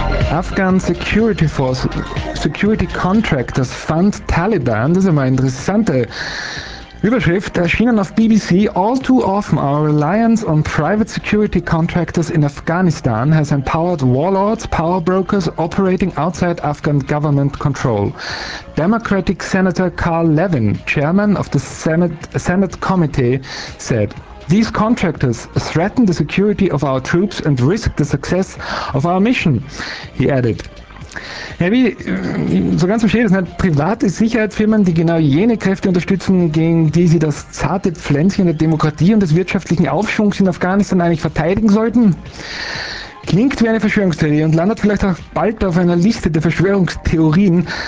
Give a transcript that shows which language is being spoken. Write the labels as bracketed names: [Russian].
[English] Afghan Security Force, Security Contractors Fund Taliban, [German] das ist eine interessante Überschrift, erschienen auf BBC. [English] All too often our reliance on private security contractors in Afghanistan has empowered warlords, power brokers operating outside Afghan government control. Democratic Senator Carl Levin, chairman of the Senate Committee, said, "These contractors threaten the security of our troops and risk the success of our mission," he added. [German] Ja, wie, so ganz verstehe ich das nicht. Private Sicherheitsfirmen, die genau jene Kräfte unterstützen, gegen die sie das zarte Pflänzchen der Demokratie und des wirtschaftlichen Aufschwungs in Afghanistan eigentlich verteidigen sollten? Klingt wie eine Verschwörungstheorie und landet vielleicht auch bald auf einer Liste der Verschwörungstheorien.